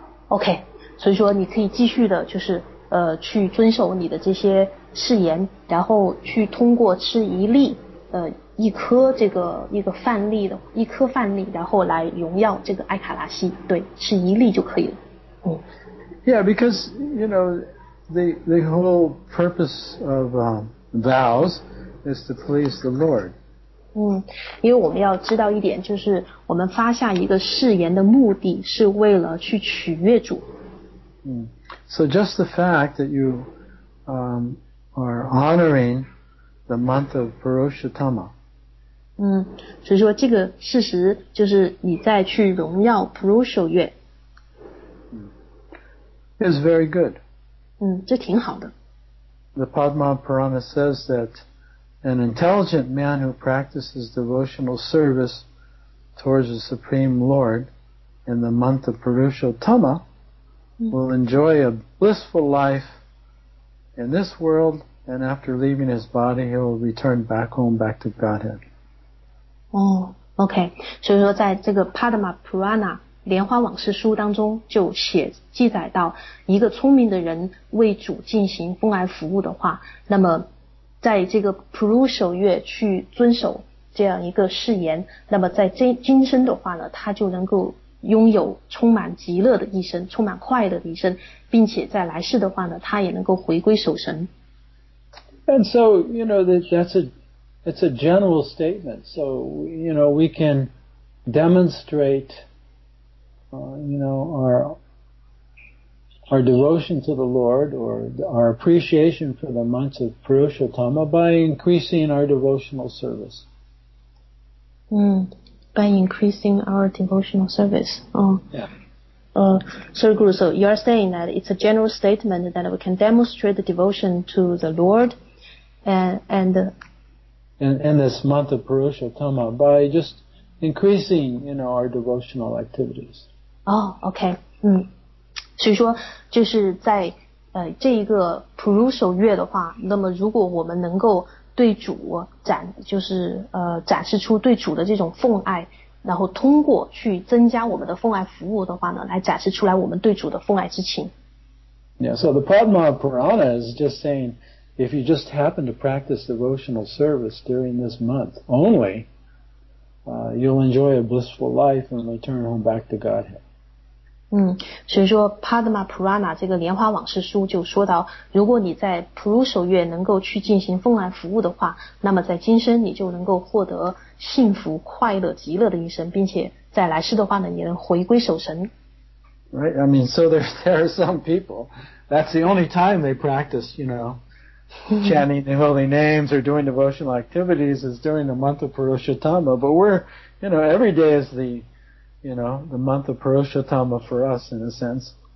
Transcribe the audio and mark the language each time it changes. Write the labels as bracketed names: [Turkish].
[Chinese] Okay, 所以说你可以继续的就是去遵守你的这些誓言，然后去通过吃一粒一颗这个一个饭粒的一颗饭粒，然后来荣耀这个爱卡拉西，对，吃一粒就可以了。 [English] Yeah, because you know the whole purpose of vows is to please the Lord. [Chinese] 因为我们要知道一点，就是我们发下一个誓言的目的是为了去取悦主。 [English] So just the fact that you are honoring the month of Purushottama. [Chinese] 所以说这个事实就是你在去荣耀 Purushottama. [English] Is very good. [Chinese] 这挺好的。 [English] The Padma Purana says that an intelligent man who practices devotional service towards the Supreme Lord in the month of Purushottama will enjoy a blissful life in this world, and after leaving his body, he will return back home, back to Godhead. Okay. [Chinese] 所以说在这个 Padma Purana 莲花往事书当中就写记载到，一个聪明的人为主进行公爱服务的话，那么在这个 Purushottama 去遵守这样一个誓言，那么在今生的话呢，他就能够拥有充满极乐的一生，充满快乐的一生，并且在来世的话呢，他也能够回归守神。 [English] And so, you know, that's a general statement. So, you know, we can demonstrate, you know, our devotion to the Lord or our appreciation for the months of Purushottama by increasing our devotional service. By increasing our devotional service. Yeah. So, Guru, so you are saying that it's a general statement that we can demonstrate the devotion to the Lord and this month of Purushottama by just increasing, you know, our devotional activities. Oh, okay. [Chinese] 所以说就是在这一个普鲁守月的话，那么如果我们能够对主展示出对主的这种奉爱，然后通过去增加我们的奉爱服务的话呢，来展示出来我们对主的奉爱之情。 [English] Yeah, so the Padma Purana is just saying, if you just happen to practice devotional service during this month only, you'll enjoy a blissful life and return home back to Godhead. [Chinese] 所以说 Padma Purana 这个莲花往事书就说到，如果你在普鲁守月能够去进行奉爱服务的话，那么在今生你就能够获得幸福快乐极乐的一生，并且在来世的话呢，你能回归守神。 [English] Right, I mean, so there are some people, that's the only time they practice, you know, chanting the holy names or doing devotional activities is during the month of Purushottama, but we're, you know, every day is the, you know, the month of Purushottama for us, in a sense.